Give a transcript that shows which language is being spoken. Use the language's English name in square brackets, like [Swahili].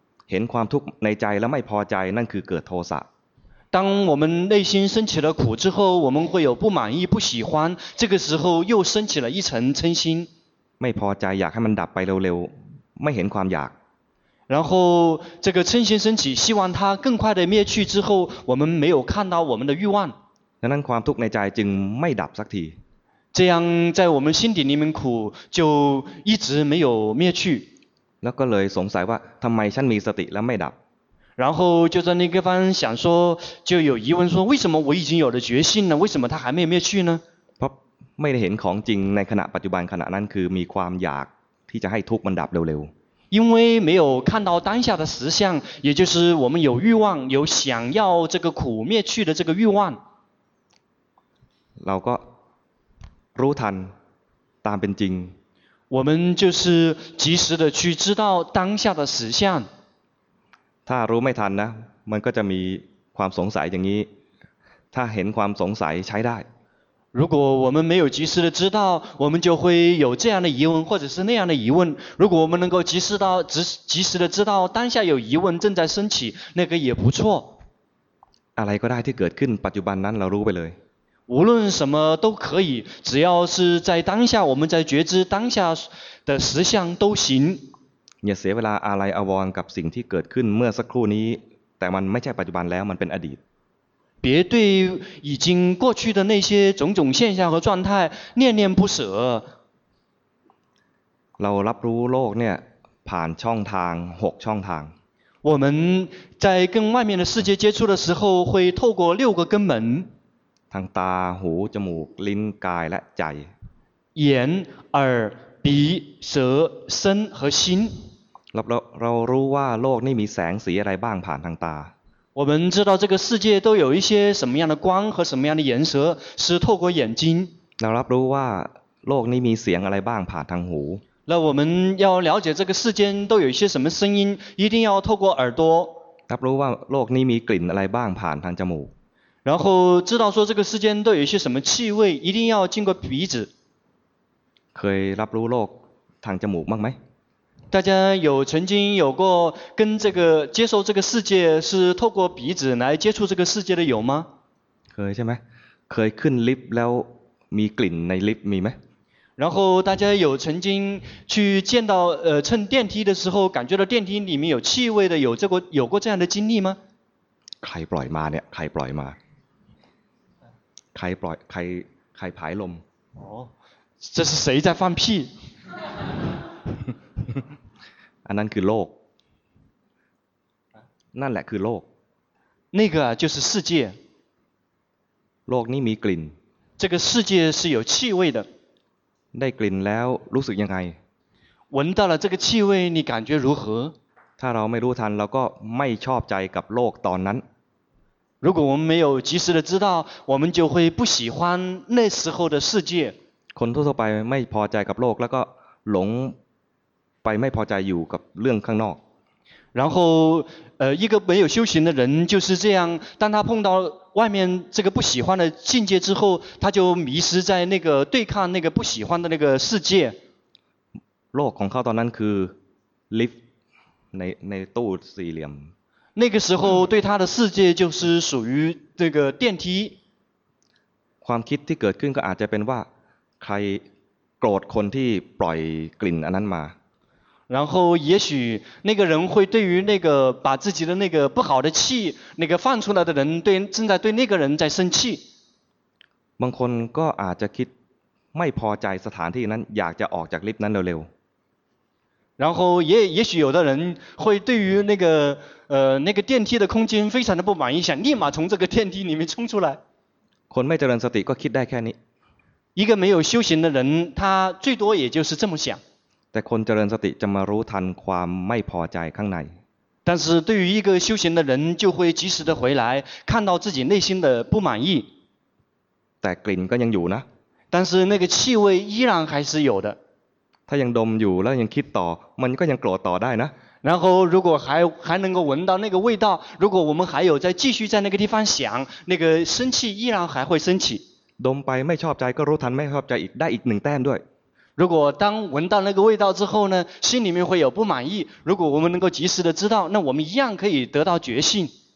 [Thai] เห็นความทุกข์ในใจแล้วไม่พอใจนั่นคือเกิดโทสะ [Chinese] 当我们内心升起了苦之后我们会有不满意不喜欢这个时候又升起了一层嗔心 [Thai] ไม่พอใจอยากให้มันดับไปเร็วๆไม่เห็นความอยาก [Chinese] 然后这个嗔心升起希望它更快的灭去之后我们没有看到我们的欲望 [Thai] ดังนั้นความทุกข์ในใจจึงไม่ดับสักที [Chinese] 这样在我们心底里面苦就一直没有灭去 [Thai] แล้วก็เลยสงสัยว่าทำไมฉันมีสติแล้วไม่ดับ [Chinese] 然后就在那个方想说就有疑问说为什么我已经有了决心呢为什么它还没有灭去呢 [Thai] ไม่ได้เห็นของจริงในขณะปัจจุบันขณะนั้นคือมีความอยากที่จะให้ทุกข์มันดับเร็ว [Chinese] ๆ因为没有看到当下的实相也就是我们有欲望有想要这个苦灭去的这个欲望 [Thai] เราก็รู้ทันตามเป็นจริง [Chinese] 我们就是及时的去知道当下的实相 [Thai] ถ้ารู้ไม่ทันนะมันก็จะมีความสงสัยอย่างนี้ถ้าเห็นความสงสัยใช้ได้ [Chinese] 如果我们没有及时的知道我们就会有这样的疑问或者是那样的疑问如果我们能够及时的知道当下有疑问正在升起那个也不错 [Thai] อะไรก็ได้ที่เกิดขึ้นปัจจุบันนั้นเรารู้ไปเลย [Chinese] 无论什么都可以只要是在当下我们在觉知当下的实相都行 [Thai] อย่าเสียเวลาอะไรอวรกับสิ่งที่เกิดขึ้นเมื่อสักครู่นี้แต่มันไม่ใช่ปัจจุบันแล้วมันเป็นอดีต [Chinese] 别对已经过去的那些种种现象和状态念念不舍。 [Thai] เรารับรู้โลกเนี่ยผ่านช่องทาง6ช่องทาง。 [Chinese] 我们在跟外面的世界接触的时候会透过六个根门。 [Thai] ทางตาหูจมูกลิ้นกายและใจ。 [Chinese] 眼耳鼻舌身和心。 [Thai] เรารู้ว่าโลกนี่มีแสงสีอะไรบ้างผ่านทางตา。 [Chinese] 我们知道这个世界都有一些什么样的光和什么样的颜色是透过眼睛。 [Thai] เรารับรู้ว่าโลกนี้มีเสียงอะไรบ้างผ่านทางหู。 [Chinese] 那我们要了解这个世间都有一些什么声音，一定要透过耳朵。 [Thai] รับรู้ว่าโลกนี้มีกลิ่นอะไรบ้างผ่านทางจมูก。 [Chinese] 然后知道说这个世间都有一些什么气味，一定要经过鼻子。 [Thai] เคยรับรู้โลกทางจมูกบ้างไหม？ [Chinese] 大家有曾经有过跟这个接受这个世界是透过鼻子来接触这个世界的有吗？可以 [Thai] ใช่ไหม？ [Chinese] 可以 [Thai] ขึ้นลิฟต์แล้วมีกลิ่นในลิฟต์มีไหม？ [Chinese] 然后大家有曾经去见到乘电梯的时候感觉到电梯里面有气味的有这个有过这样的经历吗？ [Thai] ใครปล่อยมาเนี่ยใครปล่อยมาใครปล่อยใครผายลม？ [Chinese] 哦，这是谁在放屁？ [Thai] อันนั้นคือโลกนั่นแหละคือโลก [Chinese] 那个就是世界 [Thai] โลกนี้มีกลิ่น [Chinese] 这个世界是有气味的 [Thai] ได้กลิ่นแล้วรู้สึกยังไง [Chinese] 闻到了这个气味你感觉如何 [Thai] ถ้าเราไม่รู้ทันเราก็ไม่ชอบใจกับโลกตอนนั้น [Chinese] 如果我们没有及时的知道我们就会不喜欢那时候的世界 [Thai] คนทั่วไปไม่พอใจกับโลกแล้วก็หลงไปไม่พอใจอยู่กับเรื่องข้างนอก [Chinese] 然后一个没有修行的人就是这样当他碰到外面这个不喜欢的境界之后他就迷失在那个对抗那个不喜欢的那个世界 [Thai] โลกของเขาตอนนั้นคือลิฟต์ในตู้สี่เหลี่ยม [Chinese] 那个时候对他的世界就是属于这个电梯 [Thai] ความคิดที่เกิดขึ้นก็อาจจะเป็นว่าใครโกรธคนที่ปล่อยกลิ่นอันนั้นมา [Chinese] 然后也许那个人会对于那个把自己的那个不好的气那个放出来的人对正在对那个人在生气 [Thai] บางคนก็อาจจะคิดไม่พอใจสถานที่นั้นอยากจะออกจากลิฟต์นั้นเร็ว [Chinese] ๆ然后也许有的人会对于那个电梯的空间非常的不满意想立马从这个电梯里面冲出来 [Thai] คนไม่เจริญสติก็คิดได้แค่นี้ [Chinese] 一个没有修行的人他最多也就是这么想 [Thai] แต่คนเจริญสติจะมารู้ทันความไม่พอใจข้างใน [Chinese] 但是对于一个修行的人就会及时的回来看到自己内心的不满意 [Thai] แต่กลิ่นก็ยังอยู่นะ [Chinese] 但是那个气味依然还是有的 [Thai] ถ้ายังดมอยู่แล้วยังคิดต่อมันก็ยังโกรธต่อได้นะ [Chinese] 然后如果还能够闻到那个味道如果我们还有再继续在那个地方想那个生气依然还会生起 [Thai] ดมไปไม่ชอบใจก็รู้ทันไม่ชอบใจอีกได้อีกหนึ่งแต้มด้วย [Chinese] 如果当闻到那个味道之后呢心里面会有不满意如果我们能够及时的知道那我们一样可以得到决心